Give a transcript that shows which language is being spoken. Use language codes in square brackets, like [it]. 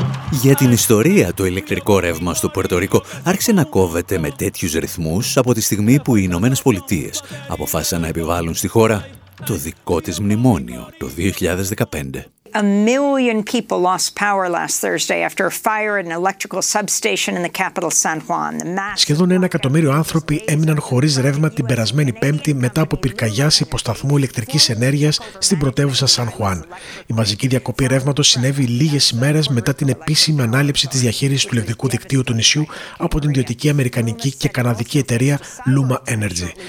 [el] Για την ιστορία, το ηλεκτρικό ρεύμα στο Πορτορίκο άρχισε να κόβεται με τέτοιους ρυθμούς από τη στιγμή που οι Ηνωμένες Πολιτείες αποφάσισαν να επιβάλλουν στη χώρα το δικό της μνημόνιο το 2015. [en] A million people lost power last Thursday after a fire at an electrical substation in the capital San Juan. [el] Σχεδόν ένα εκατομμύριο άνθρωποι έμειναν χωρίς ρεύμα την περασμένη Πέμπτη μετά από πυρκαγιά σε υποσταθμό ηλεκτρικής ενέργειας στην πρωτεύουσα Σαν Χουάν. Η μαζική διακοπή ρεύματος συνέβη λίγες ημέρες μετά την επίσημη ανάληψη της διαχείρισης του ηλεκτρικού δικτύου του νησιού από την ιδιωτική Αμερικανική και Καναδική εταιρεία Luma Energy.